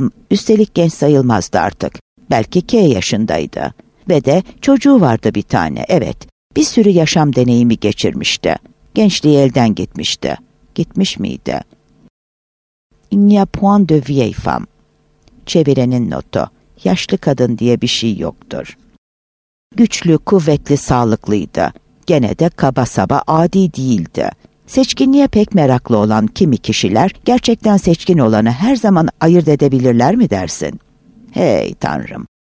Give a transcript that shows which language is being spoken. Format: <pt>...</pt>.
<tr>Üstelik genç sayılmazdı artık. Belki K yaşındaydı. Ve de çocuğu vardı bir tane, evet. Bir sürü yaşam deneyimi geçirmişti. Gençliği elden gitmişti. Gitmiş miydi?</tr> <fr>Il n'y a point de vieille femme.</fr> <tr>Çevirenin notu. Yaşlı kadın diye bir şey yoktur. Güçlü, kuvvetli, sağlıklıydı. Gene de kaba saba adi değildi. Seçkinliğe pek meraklı olan kimi kişiler, gerçekten seçkin olanı her zaman ayırt edebilirler mi dersin? Hey tanrım!</tr>